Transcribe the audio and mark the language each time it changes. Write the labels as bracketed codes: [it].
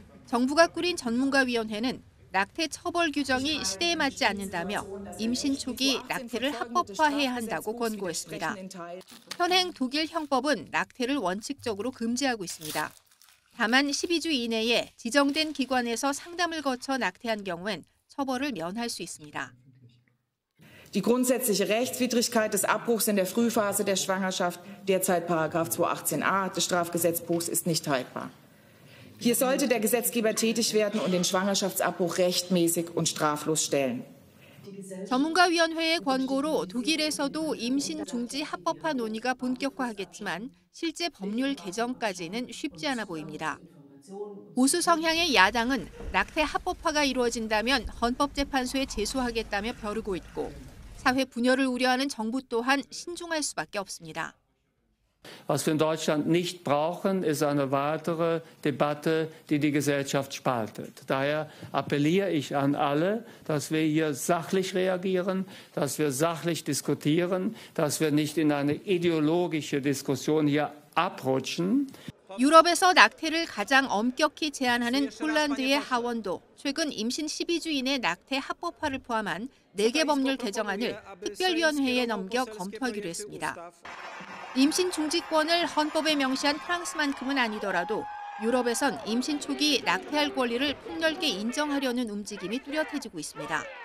[ko] 정부가 꾸린 전문가위원회는 낙태 처벌 규정이 시대에 맞지 않는다며 임신 초기 낙태를 합법화해야 한다고 권고했습니다. 현행 독일 형법은 낙태를 원칙적으로 금지하고 있습니다. 다만 12주 이내에 지정된 기관에서 상담을 거쳐 낙태한 경우엔 처벌을 면할 수 있습니다. [de] Die grundsätzliche Rechtswidrigkeit des Abbruchs in der Frühphase der Schwangerschaft, derzeit Paragraph 218a des Strafgesetzbuchs, ist nicht haltbar. Hier sollte der Gesetzgeber tätig werden und den Schwangerschaftsabbruch rechtmäßig und straflos stellen. [ko] 전문가위원회의 권고로 독일에서도 임신 중지 합법화 논의가 본격화하겠지만 실제 법률 개정까지는 쉽지 않아 보입니다. 보수 성향의 야당은 낙태 합법화가 이루어진다면 헌법재판소에 제소하겠다며 벼르고 있고 사회 분열을 우려하는 정부 또한 신중할 수밖에 없습니다. [de] Was wir in Deutschland nicht brauchen, ist eine weitere Debatte, die die Gesellschaft spaltet. Daher appelliere ich an alle, dass wir hier sachlich reagieren, dass wir sachlich diskutieren, dass wir nicht in eine ideologische Diskussion hier abrutschen. [ko] 유럽에서 낙태를 가장 엄격히 제한하는 폴란드의 하원도 최근 임신 12주 이내 낙태 합법화를 포함한 4개 법률 개정안을 특별위원회에 넘겨 검토하기로 했습니다. 임신 중지권을 헌법에 명시한 프랑스만큼은 아니더라도 유럽에선 임신 초기 낙태할 권리를 폭넓게 인정하려는 움직임이 뚜렷해지고 있습니다.